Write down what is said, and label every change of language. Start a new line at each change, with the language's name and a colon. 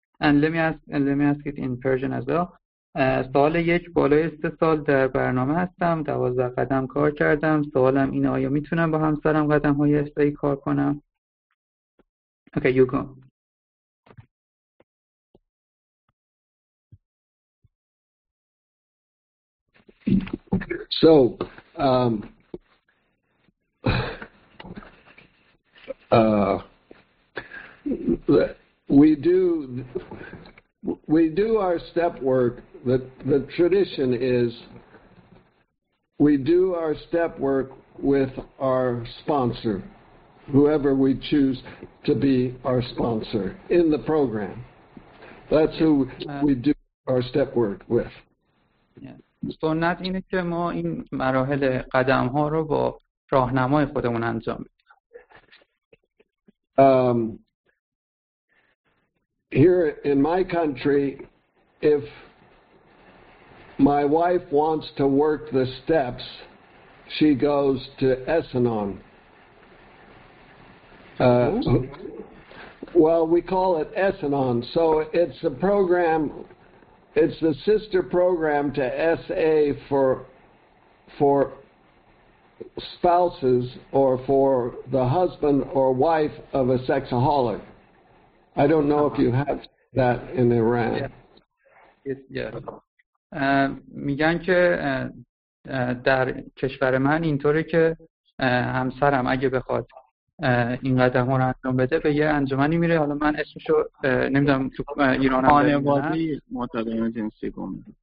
English: And let me ask it in Persian as well.
Persian: سوال یک، بالای 3 سال در برنامه هستم، 12 قدم کار کردم. سوالم اینه آیا میتونم با همسرم قدم های استی کار کنم؟
English: Okay, you go. So, we do our step work. The tradition is we do our step work with our sponsor, whoever we choose to be our sponsor in the program. That's who we do our step work with.
Persian: سنت اینه که ما این مراحل قدم ها رو با راهنمای خودمون انجام بدیم.
English: Here in my country, if my wife wants to work the steps, she goes to Essanon. Well, we call it Essanon. So it's a program, it's the sister program to SA for spouses or for the husband or wife of a sexaholic. I don't know if you have that in Iran. Yes.
Persian: میگن که در کشور من اینطوره که همسرم اگه بخواد این قدم رو انجام بده به یه انجمنی میره، حالا من اسمشو نمیدونم تو ایران هم خانوادی معتادان جنسی گم